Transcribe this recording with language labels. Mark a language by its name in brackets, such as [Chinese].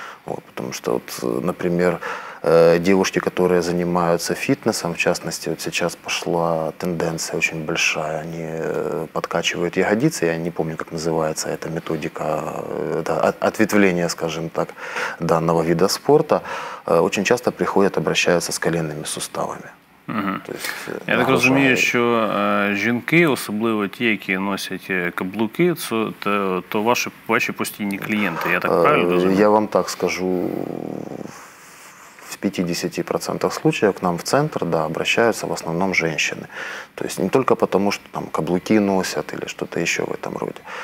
[Russian] Вот, потому что, вот, например, девушки, которые занимаются фитнесом, в частности, вот сейчас пошла тенденция очень большая, они подкачивают ягодицы, я не помню, как называется эта методика, это ответвление, скажем так, данного вида спорта, очень часто приходят, обращаются с коленными суставами. [Ukrainian] Я так розумію, що жінки, особливо ті, які носять каблуки, то ваші постійні клієнти, я так правильно розумію? [Russian] Я вам так скажу, в 50% случаях к нам в центр, да, обращаются в основном женщины. То есть не только потому, что там каблуки носят или что-то еще в этом роде.